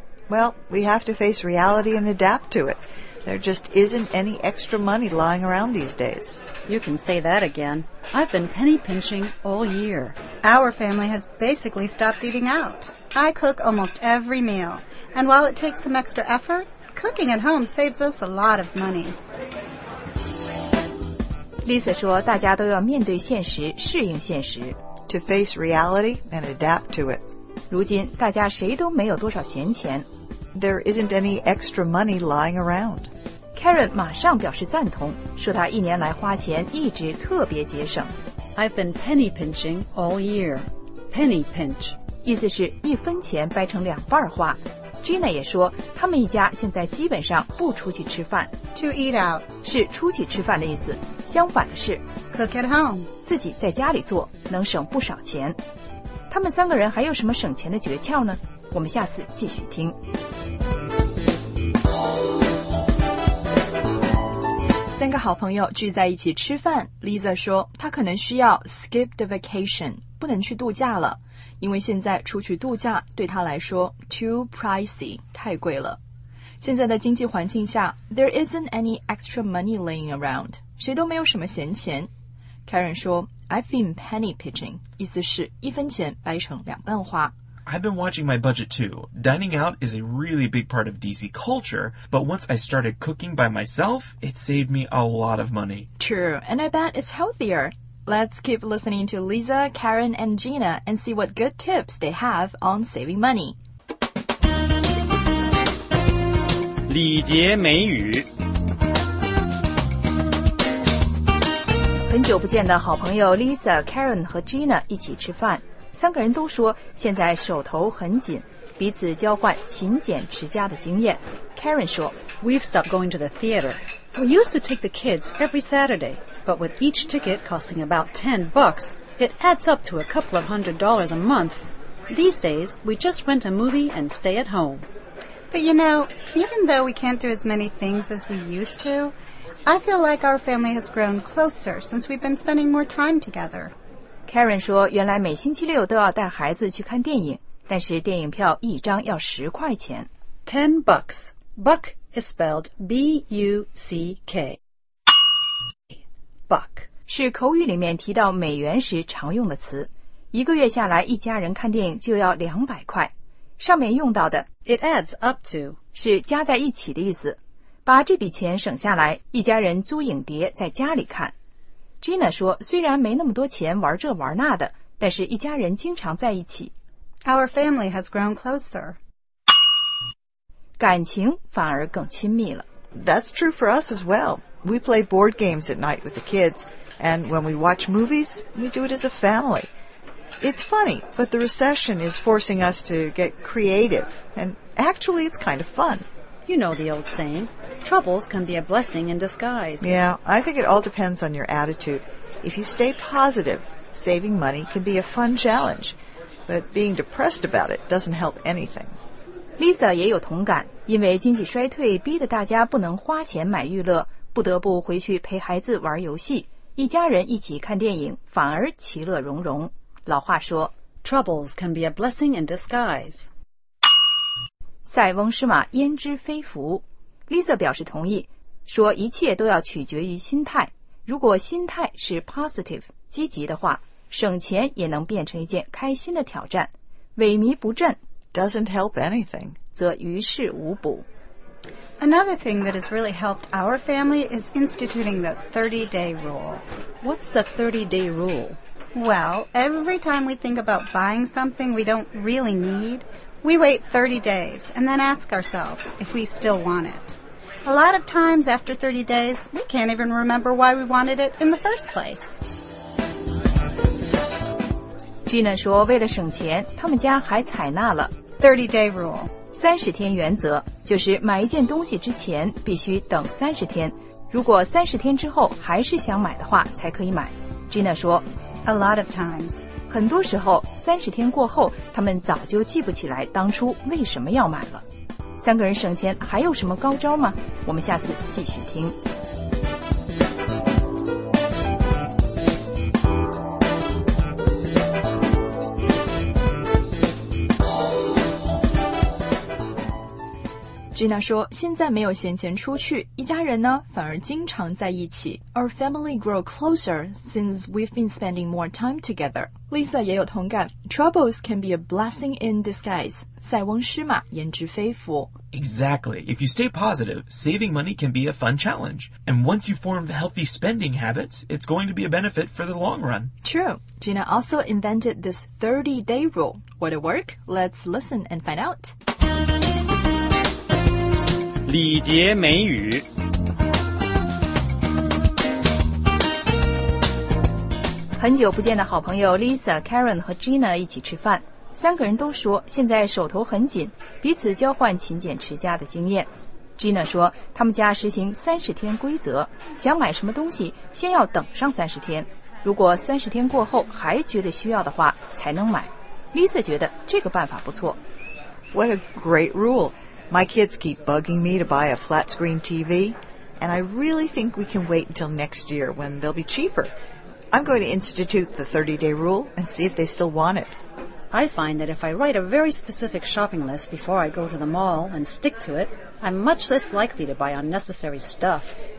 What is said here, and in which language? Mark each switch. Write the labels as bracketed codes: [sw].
[en] Well, we have to face reality and adapt to it. There just isn't any extra money lying around these days. You can say that again. I've been penny pinching all year. Our family has basically stopped eating out. I cook almost every meal, and while it takes some extra effort, cooking at home saves us a lot of money. [zh] Lisa 说大家都要面对现实，适应现实。 [en] To face reality and adapt to it. [zh] 如今大家谁都没有多少闲钱。 [en] There isn't any extra money lying around. [zh] Karen 马上表示赞同，说她一年来花钱一直特别节省。 [en] I've been penny pinching all year. Penny pinch. [zh] 意思是一分钱掰成两半花。Gina 也说他们一家现在基本上不出去吃饭。 [en] To eat out. [zh] 是出去吃饭的意思。相反的是 [en] Cook at home. [zh] 自己在家里做能省不少钱。他们三个人还有什么省钱的诀窍呢？我们下次继续听。三个好朋友聚在一起吃饭， Lisa 说她可能需要 [en] skip the vacation， [zh] 不能去度假了，因为现在出去度假对她来说 [en] too pricey， [zh] 太贵了。现在的经济环境下， [en] there isn't any extra money laying around， [zh] 谁都没有什么闲钱。 Karen 说 [en] I've been penny pinching， [zh] 意思是一分钱掰成两半花。 [en] I've been watching my budget too. Dining out is a really big part of DC culture, but once I started cooking by myself, it saved me a lot of money. True, and I bet it's healthier. Let's keep listening to Lisa, Karen, and Gina and see what good tips they have on saving money. [zh] 礼节美语。很久不见的好朋友 Lisa, Karen 和 Gina 一起吃饭。三个人都说现在手头很紧，彼此交换勤俭持家的经验。 Karen 说 [en] We've stopped going to the theater. We used to take the kids every Saturday, but with each ticket costing about $10, it adds up to a couple of $100 a month. These days, we just rent a movie and stay at home. But you know, even though we can't do as many things as we used to, I feel like our family has grown closer since we've been spending more time together. [zh] Karen 说原来每星期六都要带孩子去看电影，但是电影票一张要十块钱。 [en] $10. Buck is spelled B-U-C-K. Buck [zh] 是口语里面提到美元时常用的词。一个月下来一家人看电影就要200块。上面用到的 [en] It adds up to [zh] 是加在一起的意思。把这笔钱省下来，一家人租影碟在家里看。 Gina 说虽然没那么多钱玩这玩那的，但是一家人经常在一起。 [en] Our family has grown closer. [zh] 感情反而更亲密了。 [en] That's true for us as well. We play board games at night with the kids, and when we watch movies, we do it as a family. It's funny, but the recession is forcing us to get creative, and actually it's kind of fun. You know the old saying, troubles can be a blessing in disguise. Yeah, I think it all depends on your attitude. If you stay positive, saving money can be a fun challenge, but being depressed about it doesn't help anything. [zh] Lisa 也有同感，因为经济衰退逼得大家不能花钱买娱乐，不得不回去陪孩子玩游戏，一家人一起看电影反而其乐融融。老话说 [en] troubles can be a blessing in disguise. [zh] 塞翁失马焉知非福。 Lisa 表示同意，说一切都要取决于心态，如果心态是 positive 积极的话，省钱也能变成一件开心的挑战。萎靡不振 [en] doesn't help anything [zh] 则于事无补。 [en] Another thing that has really helped our family is instituting the 30-day rule. What's the 30-day rule? Well, every time we think about buying something we don't really needWe wait 30 days and then ask ourselves if we still want it. A lot of times after 30 days, we can't even remember why we wanted it in the first place. [zh] Gina 说为了省钱，他们家还采纳了 [en] 30-day rule. [zh] 30天原则就是买一件东西之前必须等30天。如果30天之后还是想买的话才可以买。Gina 说 [en] A lot of times. [zh] 很多时候30天过后他们早就记不起来当初为什么要买了。三个人省钱还有什么高招吗？我们下次继续听。 Gina 说现在没有闲钱出去，一家人呢反而经常在一起。 [en] Our family grow closer since we've been spending more time together. [zh] Lisa 也有同感， [en] Troubles can be a blessing in disguise. [zh] 塞翁失马焉知非福。 [en] Exactly. If you stay positive, saving money can be a fun challenge. And once you form healthy spending habits, it's going to be a benefit for the long run. True. Gina also invented this 30-day rule. Would it work? Let's listen and find out. [zh] 礼节美语。很久不见的好朋友 Lisa, Karen 和 Gina 一起吃饭，三个人都说现在手头很紧，彼此交换勤俭持家的经验。 Gina 说他们家实行30天规则，想买什么东西先要等上30天，如果30天过后还觉得需要的话才能买。 Lisa 觉得这个办法不错。 [en] What a great rule! My kids keep bugging me to buy a flat-screen TV, and I really think we can wait until next year when they'll be cheaper. I'm going to institute the 30-day rule and see if they still want it. I find that if I write a very specific shopping list before I go to the mall and stick to it, I'm much less likely to buy unnecessary stuff.